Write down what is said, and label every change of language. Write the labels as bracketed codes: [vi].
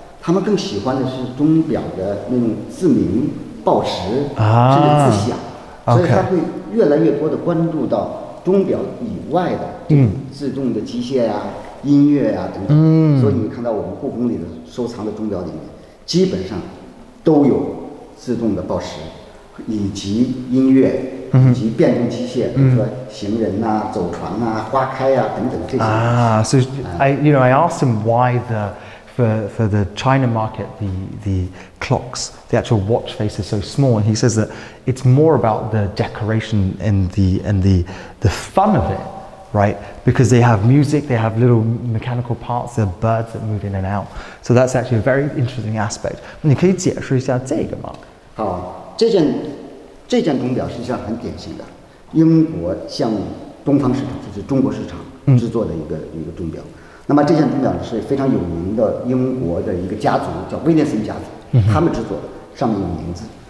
[zh] 他们更喜欢的是钟表的那种自鸣、报时，甚至自响，所以他会越来越多的关注到钟表以外的自动的机械呀、音乐呀等等。所以你看到我们故宫里的收藏的钟表里面，基本上都有自动的报时，以及音乐，以及变动机械，比如说行人呐、走船呐、花开呀、等等这些。 [en] So I asked him why for the China market, the clocks, the actual watch face is so small, and he says that it's more about the decoration and the fun of it, right? Because they have music, they have little mechanical parts, there are birds that move in and out. So that's actually a very interesting aspect. [zh] 你可以解释一下这个吗？好，这件钟表实际上很典型的英国向东方市场，就是中国市场制作的一个钟表。那么这件钟表是非常有名的英国的一个家族，叫威廉森家族，他们制作的，上面有名字。